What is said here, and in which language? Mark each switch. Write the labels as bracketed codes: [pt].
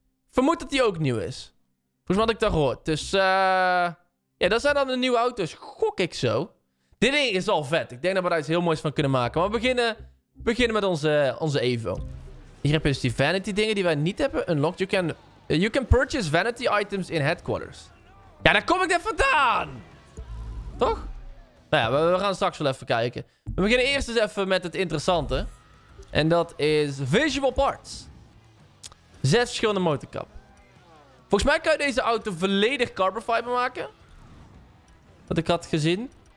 [nl] Vermoed dat die ook nieuw is. Volgens mij had ik dat gehoord. Dus, ja, dat zijn dan de nieuwe auto's. Gok ik zo. Dit ding is al vet. Ik denk dat we daar iets heel moois van kunnen maken. Maar we beginnen met onze Evo. Hier heb je dus die vanity dingen die wij niet hebben unlocked. [en] You can purchase vanity items in headquarters. [nl] Ja, daar kom ik net vandaan. Toch? Nou ja, we gaan straks wel even kijken. We beginnen eerst eens even met het interessante. En dat is visual parts. 6 verschillende motorkap. Volgens mij kan je deze auto volledig carbon fiber maken. Wat ik had gezien.